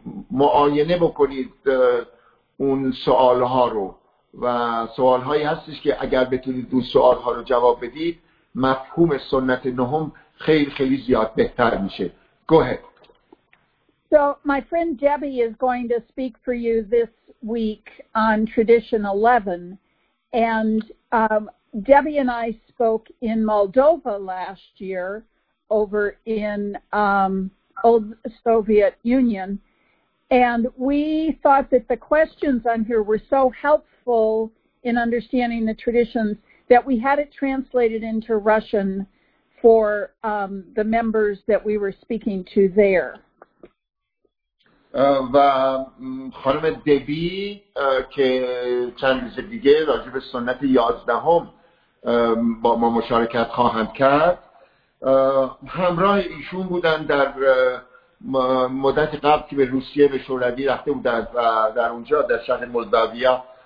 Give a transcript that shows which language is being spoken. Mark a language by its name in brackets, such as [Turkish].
[Persian] معاینه بکنید اون سوالها رو و سوالهایی هستش که اگر بتونید اون سوالها رو جواب بدید مفهوم سنت نهم خیلی خیلی زیاد بهتر میشه. [English] Go ahead. So my friend Debbie is going to speak for you this week on tradition 11 And Debbie and I spoke in Moldova last year over in old Soviet Union. And we thought that the questions on here were so helpful in understanding the traditions that we had it translated into Russian for the members that we were speaking to there. [Persian] و خانم دبی که چند روز دیگه راجع به سنت 11 هم با ما مشارکت خواهند کرد همراه ایشون بودن در مدت قبل که به روسیه به شوروی رفته بودند و در اونجا در شهر مولداویا